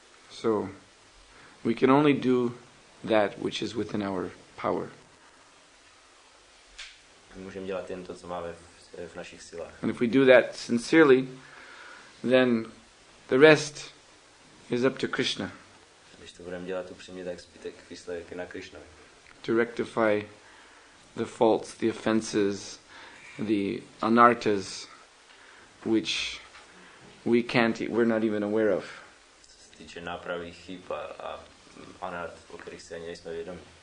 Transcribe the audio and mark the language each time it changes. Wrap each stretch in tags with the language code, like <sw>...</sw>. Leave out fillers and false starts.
<en>So we can only do that which is within our power. And if we do that sincerely, then the rest is up to Krishna.</en> <cs>Když to budeme dělat upřímně, tak zbytek výsledek je na Krishna.</cs> <en>To rectify the faults, the offenses, the anartas, which we're not even aware of.</en> <cs>Co se týče nápravy chyb a anart, o kterých si ani nejsme vědomi.</cs>